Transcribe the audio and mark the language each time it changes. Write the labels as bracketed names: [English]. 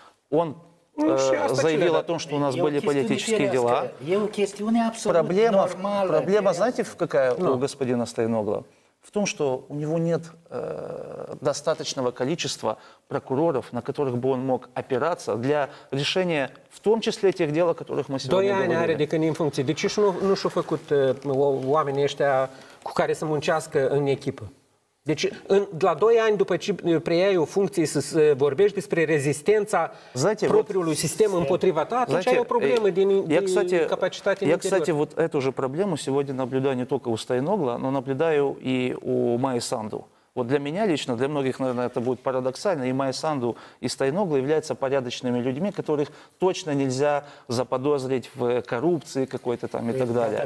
[Russian] Он заявил о том, что у нас были политические дела. Проблема, знаете, какая у господина Стоянoglu? В том, что у него нет достаточного количества прокуроров, на которых бы он мог опираться для решения, в том числе тех дел, о которых мы сегодня говорили. [Romanian] Doi ani are de când e în funcție. De ce nu și-au făcut oamenii ăștia cu care să muncească în echipă? Deci, la 2 ani după ce preiai o funcție să vorbești despre rezistența propriului sistem împotriva ta, atunci ai o problemă din capacitate interioră. [Russian] Я, кстати, вот эту же проблему сегодня наблюдаю не только у Стоянoglu, но наблюдаю и у Майи Санду. Вот для меня лично, для многих, наверное, это будет парадоксально, и Майя Санду, и Стоянoglu являются порядочными людьми, которых точно нельзя заподозрить в коррупции какой-то там и так далее.